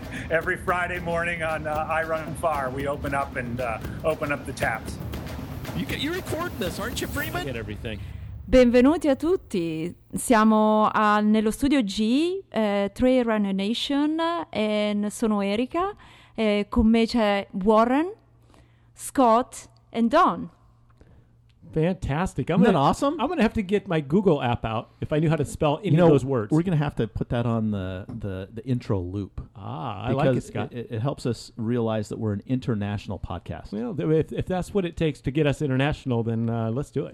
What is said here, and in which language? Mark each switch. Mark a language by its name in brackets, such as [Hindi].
[English] every Friday morning on I Run Far, we open up and open up the taps. You record this, aren't you, Freeman? I get everything. [Italian] Benvenuti a tutti, siamo nello studio G, Trail Runner Nation, e sono Erika, e con me c'è Warren, Scott e Don. [English] Fantastic. Isn't that awesome? I'm going to have to get my Google app out if I knew how to spell any of those words. We're going to have to put that on the intro loop. Ah, I like it, Scott. It helps us realize that we're an international podcast. Well, if that's what it takes to get us international, then let's do it.